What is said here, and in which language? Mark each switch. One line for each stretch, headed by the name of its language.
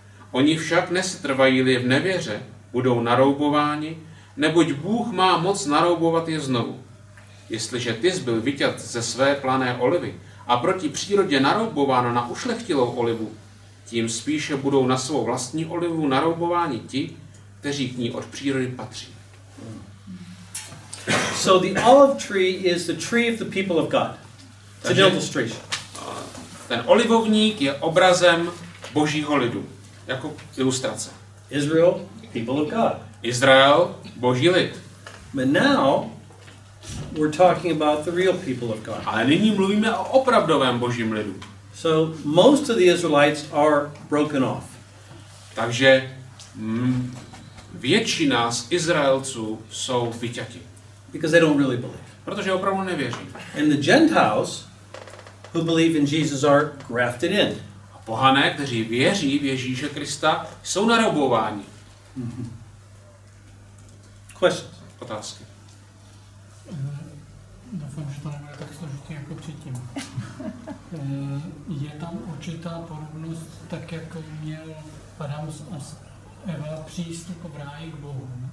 Czech: Oni však nesetrvají-li v nevěře, budou naroubováni, neboť Bůh má moc naroubovat je znovu. Jestliže ty jsi byl vyťat ze své plané olivy a proti přírodě naroubován na ušlechtilou olivu, tím spíše budou na svou vlastní olivu naroubováni ti, kteří k ní od přírody patří.
English: So the olive tree is the tree of the people of God. It's an illustration.
Czech: Ten olivovník je obrazem Božího lidu, jako ilustrace.
English: Israel, people of God.
Czech: Izrael, Boží lid.
English: But now we're talking about the real people of God.
Czech: Ale nyní mluvíme o opravdovém Božím lidu.
English: So most of the Israelites are broken off.
Czech: Takže většina z Izraelců jsou vyťati.
English: Because they don't really believe.
Czech: Protože opravdu nevěří.
English: And the Gentiles who believe in Jesus are grafted in.
Czech: A pohané, kteří věří v Ježíše Krista, jsou naroubováni.
English: Questions?
Czech: Otázky. Doufám, že to nebude tak složitý jako předtím. Je tam určitá podobnost, tak jak měl Adam a Eva přístup v ráji k Bohu.